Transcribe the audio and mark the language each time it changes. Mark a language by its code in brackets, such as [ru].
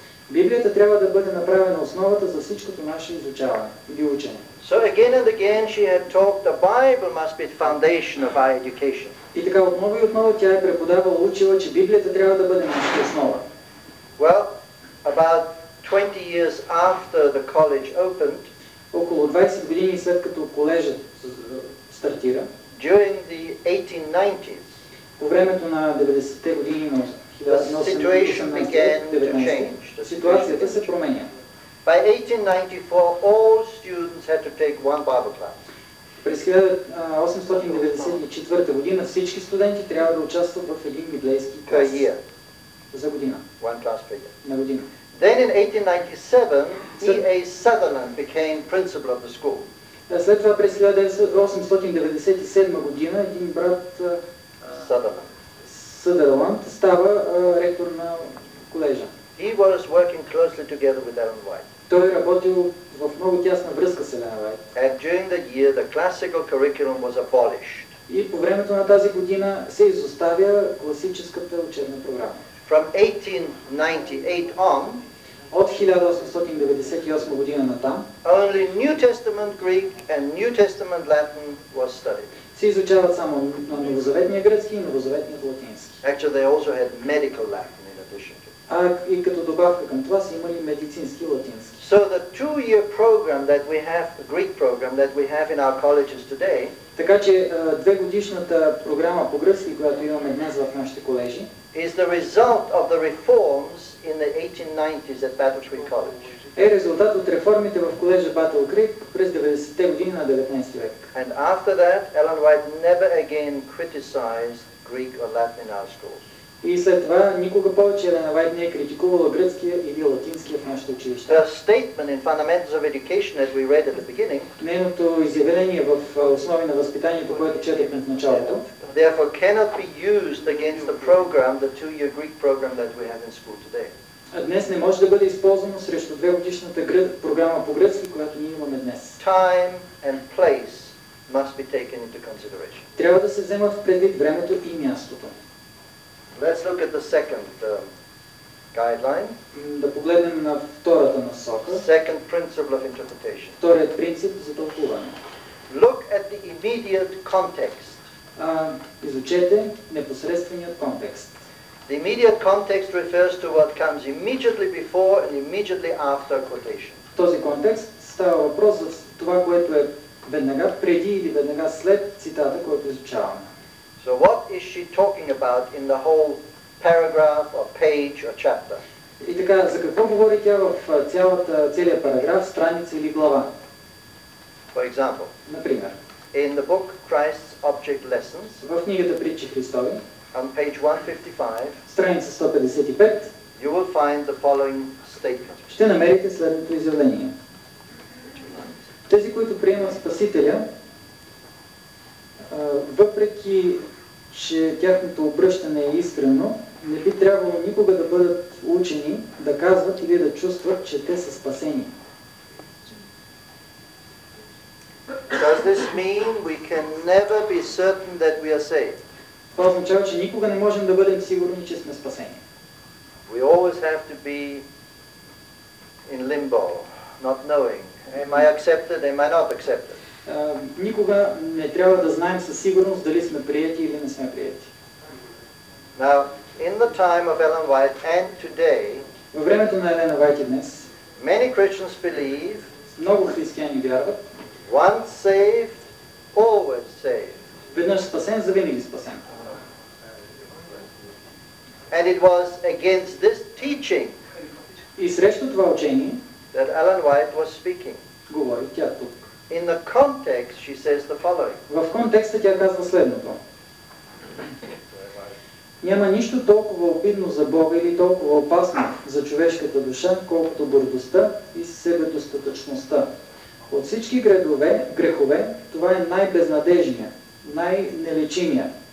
[bg] Библията трябва да бъде направена основата за всичкото наше изучаване или учене. [en] So again and again she had talked, the Bible must be the foundation of our education. [bg] И така отново и отново тя е преподавала, учила, че Библията трябва да бъде нашата основа. [en] Well, about 20 years after the college opened, [bg] около 20 години след като колежът стартира, [en] during the 1890s, [bg] по времето на 90-те години, на ситуацията се променя. [en] By 1894, all students had to take one Bible class. [bg] През 1894 година всички студенти трябва да участват в един библейски клас. [en] Per year. [bg] За година. [en] One class per year. [bg] На година. [en] Then in 1897, E.A. Sutherland became principal of the school. [bg] След това през 1897 година един брат [en] Sutherland. [bg] Съдърланд става ректор на колежа. [en] He was working closely together with Ellen White. [bg] Той работил в много тясна връзка с Елена Вайт. [en] And during that year the classical curriculum was abolished. [bg] И по времето на тази година се изоставя класическата учебна програма. [en] From 1898 on, [bg] от 1898 година натам, [en] only New Testament Greek and New Testament Latin was studied. [bg] Се изучават само новозаветния гръцки и новозаветния латински. [en] Actually, they also had medical Latin in addition to. [bg] И като добавка към това са имали медицински латински. [en] So the 2-year program that we have, the Greek program that we have in our colleges today. [bg] Така че двегодишната програма по гръцки, която имаме днес в нашите колежи, [en] is the result of the reforms in the 1890s at Battle Creek College. [bg] Е резултат от реформите в колежа Battle Creek през 90-те години на 19-ти век. [en] And after that, Ellen White never again criticized Greek or Latin in our schools. [bg] И след това никога повече Елен Уайт не е критикувала гръцкия или латинския в нашите училища. [en] The statement in Fundamentals of Education, as we read at the beginning. [bg] Нейното изявление в основи на възпитанието, което четахме в началото. [en] Therefore cannot be used against the program, the 2-year Greek program that we have in school today. [bg] Днес не може да бъде използвано срещу двегодишната програма по гръцки, която ние имаме днес. [en] Time and place must be taken into consideration. [bg] Трябва да се вземат в предвид времето и мястото. [en] Let's look at the second guideline. [bg] Да погледнем на втората насока. [en] Second principle of interpretation. [bg] Вторият принцип за тълкуване. [en] Look at the immediate context. [bg] Изучете непосредственият контекст. [en] The immediate context refers to what comes immediately before and immediately after a quotation. [bg] В този контекст става въпрос за това, което е веднага преди или веднага след цитата, която изучаваме. [en] So what is she talking about in the whole paragraph or page or chapter? [bg] И така, за какво говори тя в целия параграф, страница или глава? [en] For example. [bg] Например. [en] In the book Christ's Object Lessons. [bg] В книгата Притчи Христови. [en] On page 155. [bg] Страница 155. [en] You will find the following statement. [bg] Ще намерите следното изявление. Тези, които приемат Спасителя, въпреки че тяхното обръщане е искрено, не би трябвало никога да бъдат учени да казват или да чувстват, че те са спасени. [en] Does this mean we can never be certain that we are saved? [bg] Това означава, че никога не можем да бъдем сигурни, че сме спасени. [en] We always have to be in limbo, not knowing. Am I accepted? Am I not accepted? [bg] Никога не трябва да знаем със сигурност дали сме приети или не сме приети. [en] Now, in the time of Ellen White and today, [bg] във времето на Елена Уайт и днес, [en] many Christians believe, [bg] много християни вярват, [en] once saved, always saved. [bg] Веднъж спасен, завинаги спасен. [en] And it was against this teaching [bg] и срещу това учение [en] that Ellen White was speaking. [bg] Говори тя тук. [en] In the context, she says the following. [bg] В контекста тя казва следното. Няма нищо толкова обидно за Бога или толкова опасно за човешката душа, колкото гордостта и себедостатъчността. От всички грехове, това е най-безнадежния, най-нелечимия.